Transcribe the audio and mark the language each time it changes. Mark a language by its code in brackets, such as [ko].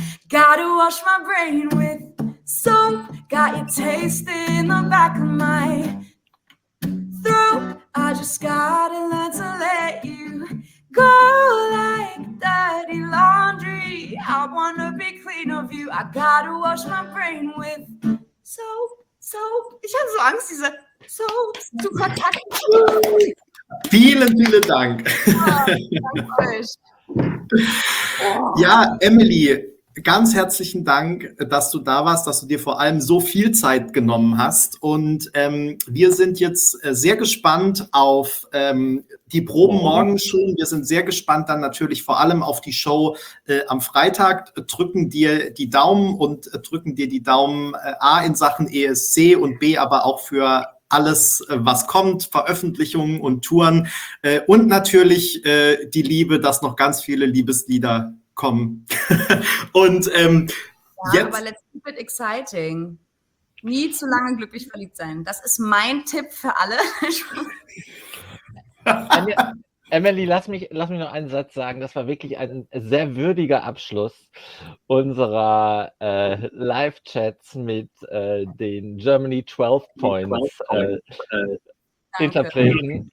[en] Gotta wash my brain with soap. Got your taste in the back of my throat. I just gotta learn to let you go like dirty laundry. I wanna be clean of you. I gotta wash my brain with soap. [de] Ich hatte so Angst, diese Soap zu kontakten. Vielen, vielen Dank. Ja, Emily, ganz herzlichen Dank, dass du da warst, dass du dir vor allem so viel Zeit genommen hast. Und wir sind jetzt sehr gespannt auf die Proben morgen schon. Wir sind sehr gespannt dann natürlich vor allem auf die Show am Freitag. Drücken dir die Daumen und drücken dir die Daumen A in Sachen ESC und B aber auch für alles, was kommt, Veröffentlichungen und Touren. Und natürlich die Liebe, dass noch ganz viele Liebeslieder kommen. Und ja, jetzt. Aber [en] let's keep it exciting. [de] Nie zu lange glücklich verliebt sein. Das ist mein Tipp für alle. Emily, lass mich noch einen Satz sagen. Das war wirklich ein sehr würdiger Abschluss unserer Live-Chats mit den Germany 12 Points Interpreten.